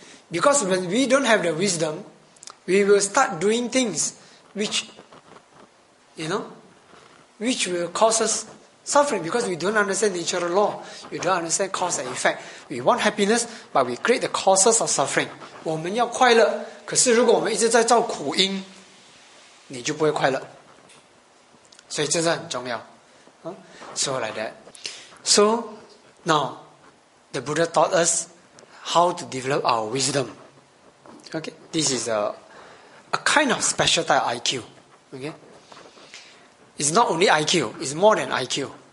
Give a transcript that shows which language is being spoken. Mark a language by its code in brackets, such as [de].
[en] Because when we don't have the wisdom, we will start doing things which, you know, which will cause us suffering because we don't understand natural law. We don't understand cause and effect. We want happiness, but we create the causes of suffering. [zh] 我们要快乐, 可是如果我们一直在造苦因, 你就不会快乐。所以这是很重要, [en] so like that. So now the Buddha taught us how to develop our wisdom. Okay, this is a kind of special type of IQ. Okay, it's not only IQ, it's more than IQ.